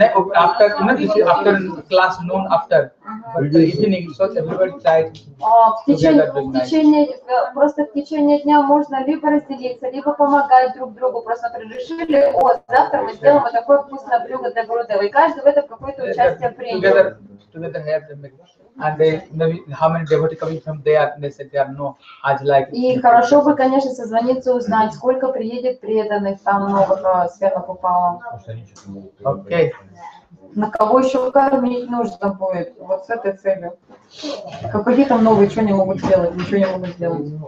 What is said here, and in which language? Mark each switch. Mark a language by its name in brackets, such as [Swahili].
[Russian] Нет, [English] after, after class, noon after, after evening, so everybody tried. [Russian] Просто в течение дня можно либо разделиться, либо помогать друг другу. Просто решили, о, завтра мы сделаем вот такое вкусное блюдо для Гурудева. И каждый в этом какое-то участие принял. [English] Together, together have them. And they, how many devotees coming from there? They said they are no, as like. [Russian] И хорошо бы, конечно, созвониться, узнать, сколько приедет преданных там новых сверху попало. [English] Okay. [Russian] На кого еще кормить нужно будет? Вот с этой целью. Какие там новые, что не могут сделать? Ничего не могут сделать.